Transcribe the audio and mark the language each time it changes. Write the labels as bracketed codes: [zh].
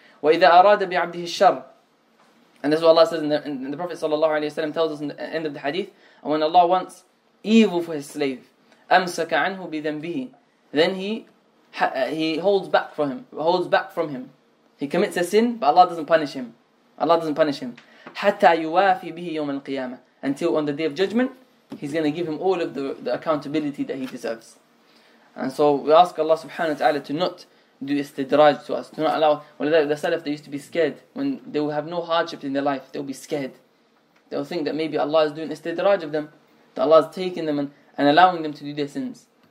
[ar] وإذا أراد بعبده الشر. [en] And this is what Allah says in the Prophet sallallahu alaihi wasallam tells us in the end of the hadith. And when Allah wants evil for his slave, [ar] أمسك عنه بذنبه, [en] then he holds back from him. He commits a sin, but Allah doesn't punish him. [ar] حتى يوافي به يوم القيامة. [en] Until on the day of judgment, he's going to give him all of the accountability that he deserves. And so we ask Allah subhanahu wa ta'ala to not do istidraj to us. To not allow. Well, the Salaf, they used to be scared. When they will have no hardships in their life, they'll be scared. They'll think that maybe Allah is doing istidraj of them. That Allah is taking them and allowing them to do their sins.